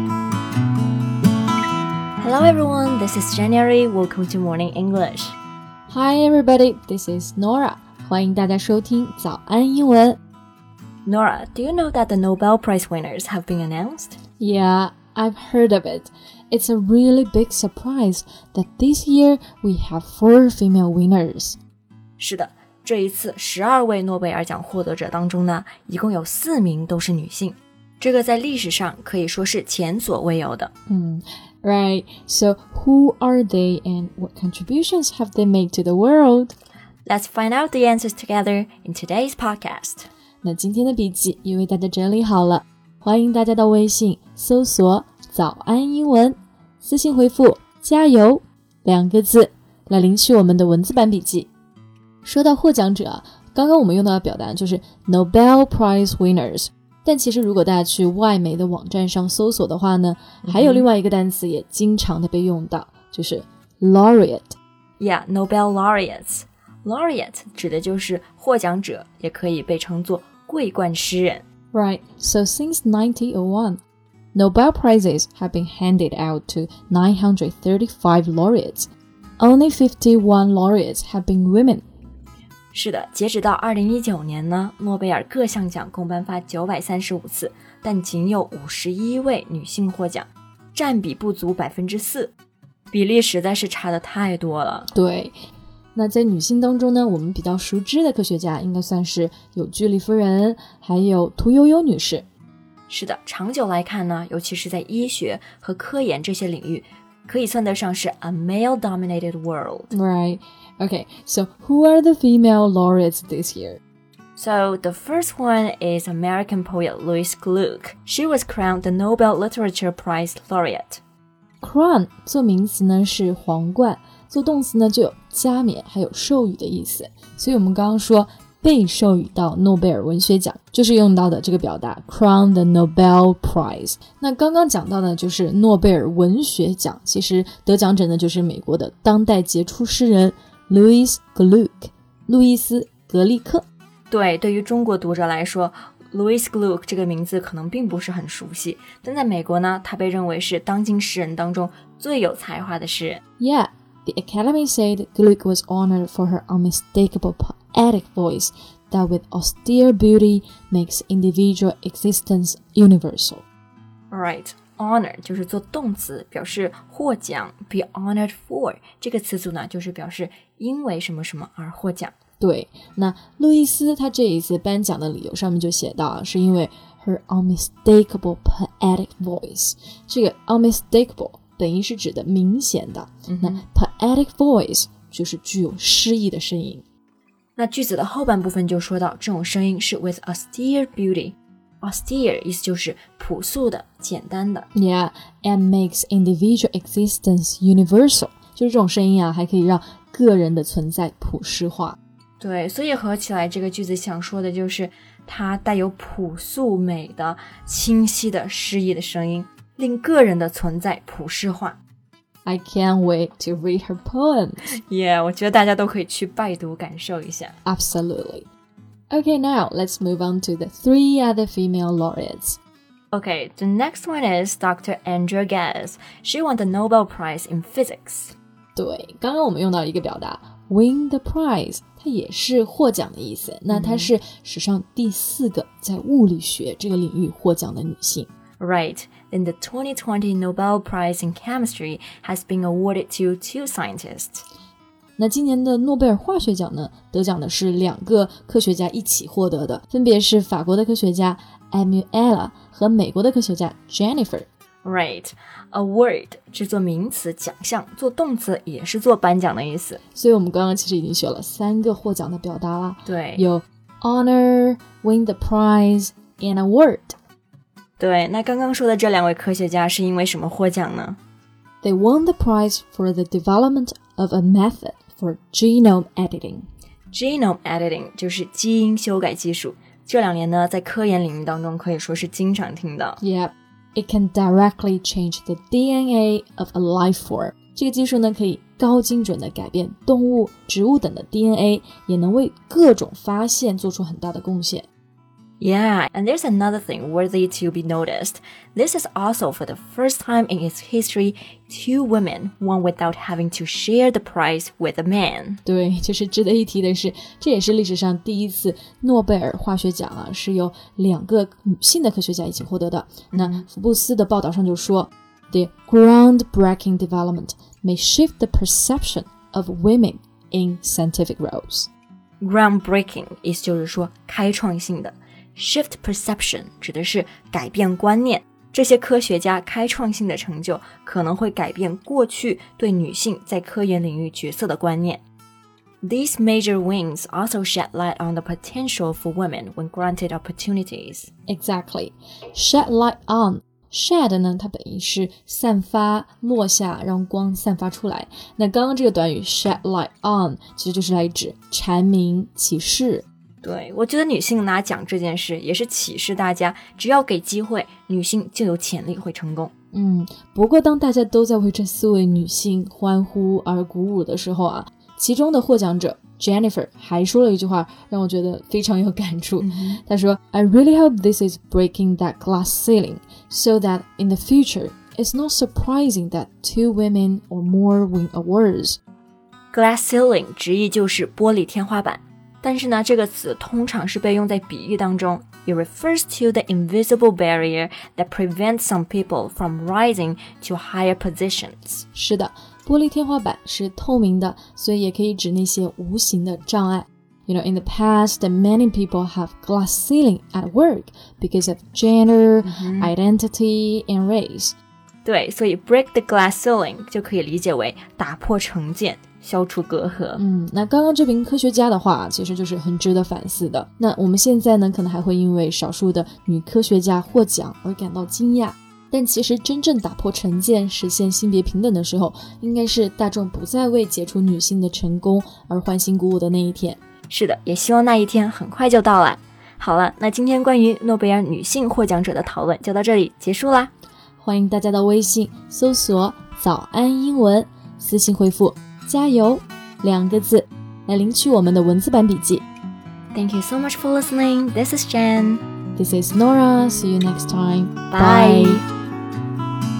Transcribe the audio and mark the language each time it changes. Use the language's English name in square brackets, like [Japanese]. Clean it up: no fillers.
[English] Hello everyone, this is January. Welcome to Morning English. Hi everybody, this is Nora. [Chinese] 欢迎大家收听早安英文。 [English] Nora, do you know that the Nobel Prize winners have been announced? Yeah, I've heard of it. It's a really big surprise that this year we have 4 female winners. [Chinese] 是的，这一次12位诺贝尔奖获得者当中呢，一共有4名都是女性。这个在历史上可以说是前所未有的。 [English] Right, so who are they and what contributions have they made to the world? Let's find out the answers together in today's podcast. [Chinese] 那今天的笔记也为大家整理好了。欢迎大家到微信搜索早安英文，私信回复加油两个字来领取我们的文字版笔记。说到获奖者，刚刚我们用到的表达就是 Nobel Prize Winners。但其实如果大家去外媒的网站上搜索的话呢，还有另外一个单词也经常的被用到，就是 Laureate。 [English] Yeah, Nobel Laureates. [Chinese] Laureate 指的就是获奖者，也可以被称作桂冠诗人。 [English] Right, so since 1901, Nobel Prizes have been handed out to 935 laureates. Only 51 laureates have been women. [Chinese] 是的，截止到2019年呢，诺贝尔各项奖共颁发935次，但仅有51位女性获奖，占比不足 4%， 比例实在是差得太多了。对，那在女性当中呢，我们比较熟知的科学家应该算是有居里夫人，还有屠呦呦女士。是的，长久来看呢，尤其是在医学和科研这些领域，可以算得上是 [English] a male-dominated world. Right. Okay, so who are the female laureates this year? So the first one is American poet Louise Gluck. She was crowned the Nobel Literature Prize laureate. [Chinese] Crown 做名词呢是皇冠，做动词呢就有加冕还有授予的意思。所以我们刚刚说被授予到诺贝尔文学奖，就是用到的这个表达 [English] Crown the Nobel Prize。 [Chinese] 那刚刚讲到的就是诺贝尔文学奖，其实得奖者呢就是美国的当代杰出诗人 Louis Gluck， 路易斯·格利克。对，对于中国读者来说， Louis Gluck 这个名字可能并不是很熟悉，但在美国呢，他被认为是当今诗人当中最有才华的诗人。 [English] Yeah, the Academy said Gluck was honored for her unmistakable poetic voice that with austere beauty makes individual existence universal. [Chinese] Right, honor 就是做动词，表示获奖， [English] be honored for [Chinese] 这个词组呢就是表示因为什么什么而获奖。对，那路易斯他这一次颁奖的理由上面就写到是因为 [English] her unmistakable poetic voice。 [Chinese] 这个 unmistakable 等于是指的明显的，那 poetic voice 就是具有诗意的声音。那句子的后半部分就说到，这种声音是 [English] with austere beauty. [Chinese] Austere 意思就是朴素的、简单的。 [English] Yeah, and makes individual existence universal. [Chinese] 就是这种声音啊，还可以让个人的存在普世化。对，所以合起来这个句子想说的就是，它带有朴素美的、清晰的、诗意的声音，令个人的存在普世化。 [English] I can't wait to read her poems. [Chinese] Yeah, 我觉得大家都可以去拜读感受一下。 [English] Absolutely. Okay, now let's move on to the 3 other female laureates. Okay, the next one is Dr. Andrea Ghez. She won the Nobel Prize in Physics. [Chinese] 对，刚刚我们用到一个表达 [English] win the prize， [Chinese] 它也是获奖的意思。那她是史上第四个在物理学这个领域获奖的女性。 [English] Right, then the 2020 Nobel Prize in Chemistry has been awarded to 2 scientists. [Chinese] 那今年的诺贝尔化学奖呢，得奖的是两个科学家一起获得的，分别是法国的科学家 Emanuela 和美国的科学家 Jennifer. Right, award 是做名词奖项，做动词也是做颁奖的意思。所以我们刚刚其实已经学了三个获奖的表达了。对， [English] 有 honor, win the prize, and award. [Chinese] 对，那刚刚说的这两位科学家是因为什么获奖呢？ [English] They won the prize for the development of a method for genome editing. [Chinese] Genome editing 就是基因修改技术，这两年呢，在科研领域当中可以说是经常听到。 [English] Yep, it can directly change the DNA of a life form. [Chinese] 这个技术呢，可以高精准地改变动物、植物等的 DNA， 也能为各种发现做出很大的贡献。 [English] Yeah, and there's another thing worthy to be noticed. This is also for the first time in its history, two women won without having to share the prize with a man. [Chinese] 对，就是值得一提的是，这也是历史上第一次诺贝尔化学奖啊，是由两个女性的科学家一起获得的。那福布斯的报道上就说 [English] ,The groundbreaking development may shift the perception of women in scientific roles. [Chinese] Groundbreaking 意思就是说开创性的。Shift perception 指的是改变观念。这些科学家开创性的成就可能会改变过去对女性在科研领域角色的观念。 [English] These major wins also shed light on the potential for women when granted opportunities. Exactly. Shed light on. [Chinese] Shed 呢，它本意是散发、落下、让光散发出来。那刚刚这个短语 [English] shed light on [Chinese] 其实就是来指阐明、启示。对，我觉得女性拿奖这件事也是启示大家，只要给机会，女性就有潜力会成功。嗯，不过当大家都在为这四位女性欢呼而鼓舞的时候啊，其中的获奖者 Jennifer 还说了一句话，让我觉得非常有感触。她说 [English] I really hope this is breaking that glass ceiling, so that in the future, it's not surprising that two women or more win awards. [Chinese] Glass ceiling 直译就是玻璃天花板。但是呢，这个词通常是被用在比喻当中。 [English] It refers to the invisible barrier that prevents some people from rising to higher positions. [Chinese] 是的，玻璃天花板是透明的，所以也可以指那些无形的障碍。 [English] You know, in the past, many people have glass ceiling at work because of gender, identity, and race. [Chinese] 对，所以 [English] break the glass ceiling [Chinese] 就可以理解为打破成见。消除隔阂。嗯，那刚刚这名科学家的话其实就是很值得反思的。那我们现在呢可能还会因为少数的女科学家获奖而感到惊讶。但其实真正打破成见实现性别平等的时候应该是大众不再为杰出女性的成功而欢欣鼓舞的那一天。是的，也希望那一天很快就到了。好了，那今天关于诺贝尔女性获奖者的讨论就到这里结束啦。欢迎大家到微信搜索早安英文私信回复。加油，两个字，来领取我们的文字版笔记。 [English] Thank you so much for listening. This is Jen. This is Nora. See you next time. Bye. Bye.